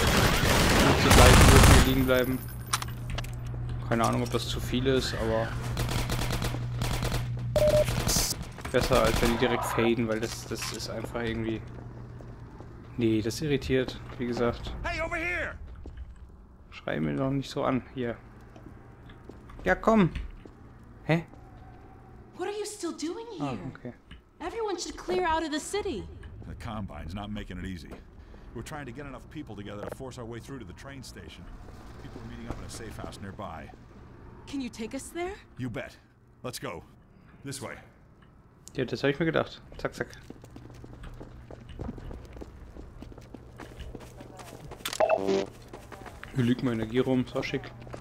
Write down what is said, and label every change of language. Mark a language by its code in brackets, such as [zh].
[de] 50 Leichen dürfen hier liegen bleiben. Keine Ahnung, ob das zu viel ist, aber besser als wenn die direkt faden, weil das ist einfach irgendwie. Nee, das irritiert, wie gesagt. [en] Hey, over here! [de] Schrei mir doch nicht so an, hier. Ja, komm! Hä? [en] What are you still doing here? Oh, okay. Everyone should clear out of the city. The Combine's not making it easy. We're trying to get enough people together to force our way through to the train station. People are meeting up in a safe house nearby. Can you take us there? You bet. Let's go. This way. [de] Ja, das habe ich mir gedacht. Zack, zack. Hier liegt meine Energie rum, so schick.